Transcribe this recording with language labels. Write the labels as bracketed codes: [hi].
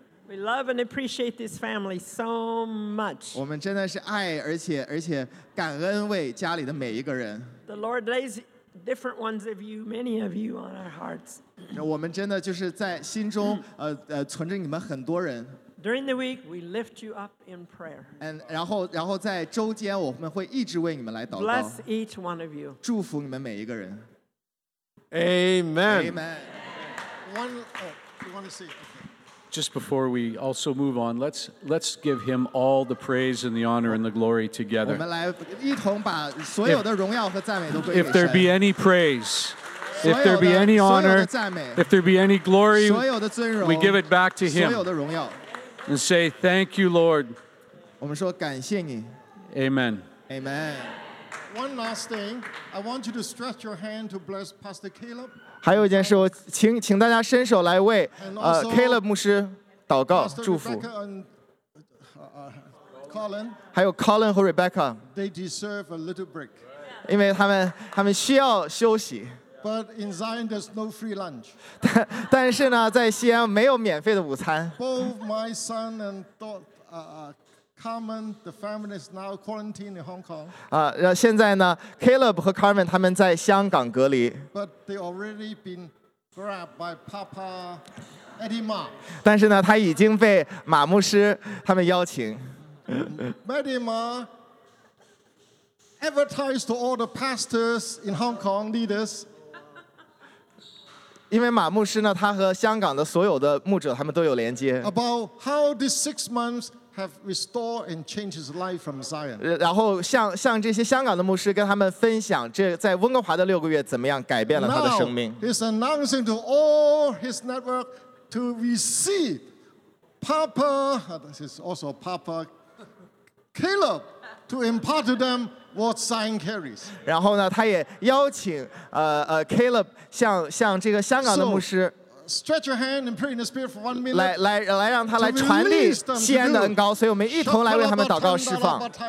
[en] We love and appreciate this family so much. [zh] 我们真的是爱而且感恩为家里的每一个人。 [en] The Lord lays different ones of you, many of you, on our hearts. [zh] 我们真的就是在心中存着你们很多人。 [en] During the week, we lift you up in prayer. [zh] And 然后在周间，我们会一直为你们来祷告。 [en] Bless each one of you. [zh] 祝福你们每一个人。 [en] Amen. Amen. One, you want to see? Just before we also move on, let's give him all the praise and the honor and the glory together. [zh] 我们来一同把所有的荣耀和赞美都归给神。 [en] If there be any praise. If there be any honor, if there be any glory, we give it back to him and say, thank you, Lord. Amen. Amen. One last thing. I want you to stretch your hand to bless Pastor Caleb. [zh] 还有一件事，请大家伸手来为Caleb 牧师祷告祝福。还有 Colin 和 Rebecca. [en] They deserve a little break. [zh] 因为他们需要休息。 [en] But in Zion, there's no free lunch. [zh] 但是呢，在西安没有免费的午餐。 [en] Both my son and daughter, Carmen, the family is now quarantined in Hong Kong. [zh] 现在呢 ，Caleb 和 Carmen 他们在香港隔离。 [en] But they already been grabbed by Papa Eddie Ma. [zh] 但是呢，他已经被马牧师他们邀请。 [en] Maddie Ma advertised to all the pastors in Hong Kong leaders. [zh] 因为马牧师呢，他和香港的所有的牧者他们都有连接。 [en] About how these 6 months have restored and changed his life from Zion. [zh] 然后像这些香港的牧师跟他们分享，这在温哥华的六个月怎么样改变了他的生命。 [en] Now he's announcing to all his network to receive Papa. This is also Papa Caleb to impart to them. What sign carries? [zh] 然后呢，他也邀请Caleb 向这个香港的牧师 [en] stretch your hand and pray in the spirit for 1 minute. [zh] 来让他来传递西安的恩膏，所以我们一同来为他们祷告释放。